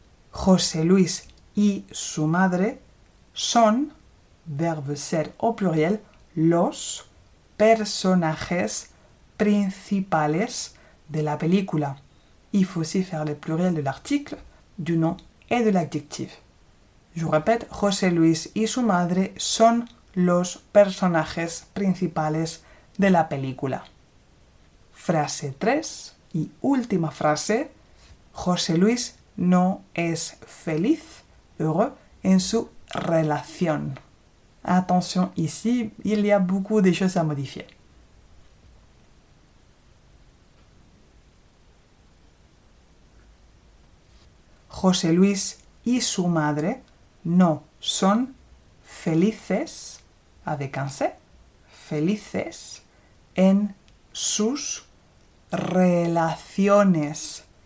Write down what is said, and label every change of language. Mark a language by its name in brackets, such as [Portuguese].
[Spanish] José Luis y su madre son, [French] verbe ser au pluriel, [Spanish] los personajes principales de la película. [French] Il faut aussi faire le pluriel de l'article, du nom et de l'adjectif. Je répète, [Spanish] José Luis y su madre son los personajes principales de la película. Frase 3 y última frase. José Luis no es feliz, [French] heureux, [Spanish] en su relación. [French] Attention ici, il y a beaucoup de choses à modifier. [Spanish] José Luis y su madre no son felices, [French] avec un C, [Spanish] felices en sus relaciones.